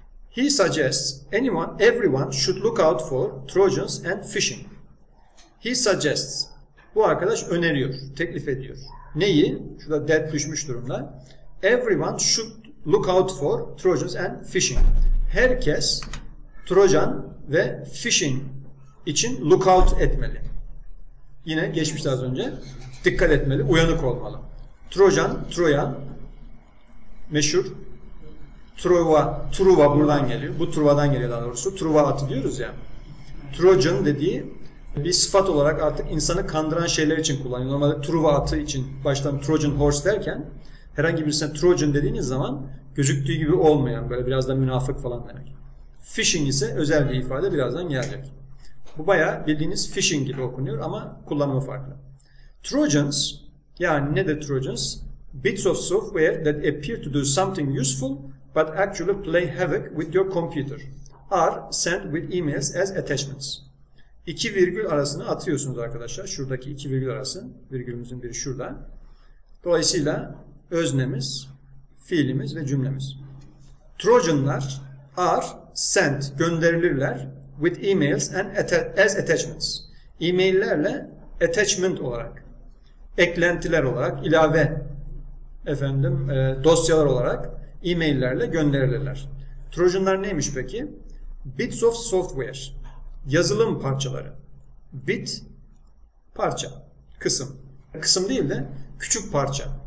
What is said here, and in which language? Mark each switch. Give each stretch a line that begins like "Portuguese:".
English: He suggests everyone should look out for Trojans and phishing. He suggests,
Turkish: bu arkadaş öneriyor, teklif ediyor. Neyi? Şurada dead düşmüş durumda.
English: Everyone should look out for Trojans and phishing.
Turkish: Herkes Trojan ve phishing için
English: look out
Turkish: etmeli. Yine geçmişti az önce. Dikkat etmeli, uyanık olmalı. Trojan, Troyan, meşhur Truva, Truva buradan geliyor. Bu Truva'dan geliyor daha doğrusu. Truva atı diyoruz ya. Trojan dediği bir sıfat olarak artık insanı kandıran şeyler için kullanıyor. Normalde Truva atı için baştan Trojan horse derken, herhangi birisine Trojan dediğiniz zaman gözüktüğü gibi olmayan, böyle biraz da münafık falan demek. Phishing ise özel bir ifade, birazdan gelecek. Bu bayağı bildiğiniz phishing gibi okunuyor ama kullanımı farklı. Trojans, yani ne de Trojans?
English: Bits of software that appear to do something useful but actually play havoc with your computer are sent with emails as attachments.
Turkish: İki virgül arasını atıyorsunuz arkadaşlar. Şuradaki iki virgül arası, virgülümüzün biri şurada. Dolayısıyla öznemiz, fiilimiz ve cümlemiz.
English: Trojanlar are sent,
Turkish: gönderilirler
English: with emails and as attachments.
Turkish: E-maillerle attachment olarak, eklentiler olarak, ilave, efendim, dosyalar olarak e-maillerle gönderilirler. Trojanlar neymiş peki?
English: Bits of software,
Turkish: yazılım parçaları. Bit, parça, kısım. Kısım değil de küçük parça.